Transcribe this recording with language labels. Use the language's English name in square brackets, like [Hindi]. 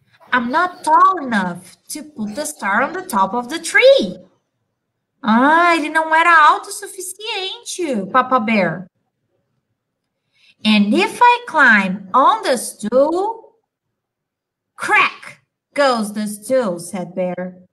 [English] I'm not tall enough to put the star on the top of the tree. [Portuguese] Ah, ele não era alto o suficiente, Papa Bear. [English] And if I climb on the stool, crack goes the stool, said Bear.